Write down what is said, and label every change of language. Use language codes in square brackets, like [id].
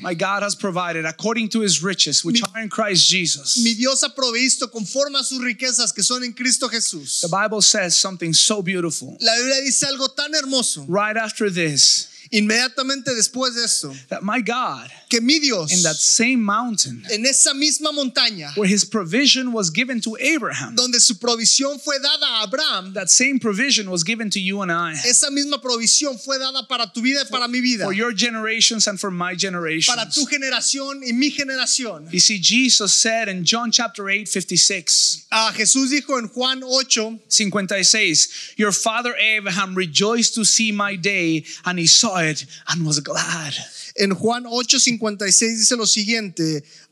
[en] My God has provided according to His riches, which are in Christ Jesus. [es] Mi Dios ha proveído conforme a sus riquezas que son en Cristo Jesús. [en] The Bible says something so beautiful. [es] La Biblia dice algo tan hermoso. [en] Right after this. [es] Inmediatamente después de eso, [en] that my God, [es] que mi Dios, [en] in that same mountain, [es] en esa misma montaña, [en] where his provision was given to Abraham, [es] donde su provisión fue dada a Abraham, [en] that same provision was given to you and I. [es] Esa misma provisión fue dada para tu vida y para mi vida. [en] For your generations and for my generations. [es] Para tu generación y mi generación. [en] You see, Jesus said in John chapter 8, 56. [es] Jesús dijo en Juan 8, [en] 56, your father Abraham rejoiced to see my day, and he saw it and was glad. [es] En Juan 8:56 dice lo siguiente.